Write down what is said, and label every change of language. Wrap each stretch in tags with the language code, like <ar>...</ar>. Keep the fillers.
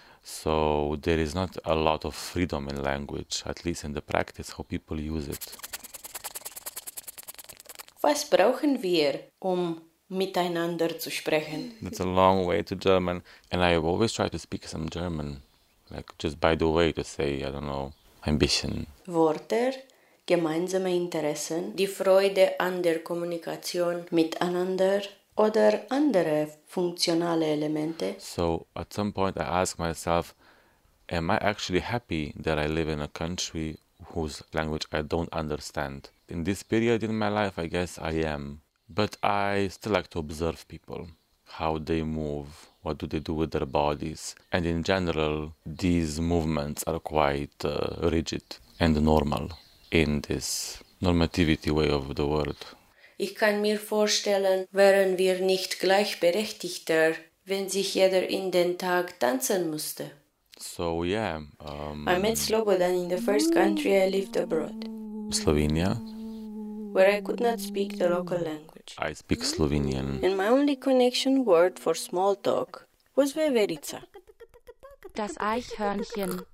<en>So there is not a lot of freedom in language, at least in the practice, how people use it.</en> <de>Was brauchen wir, um miteinander zu sprechen?</de> <en>It's a long way to German, and I have always try to speak some German, like just by the way to say, I don't know, ambition.</en> <de>Wörter, gemeinsame Interessen, die Freude an der Kommunikation miteinander oder andere funktionale Elemente.</de> <en>So at some point I ask myself, am I actually happy that I live in a country whose language I don't understand. In this period in my life, I guess I am. But I still like to observe people how they move, what do they do with their bodies. And in general, these movements are quite uh, rigid and normal in this normativity way of the world.</en> <de>Ich kann mir vorstellen, wären wir nicht gleichberechtigter, wenn sich jeder in den Tag tanzen musste.</de> <en>So, yeah. Um, I met Slobodan in the first country I lived abroad Slovenia. Where I could not speak the local language. I speak Slovenian. And my only connection word for small talk was Veverica.</en> <de>Das Eichhörnchen.</de>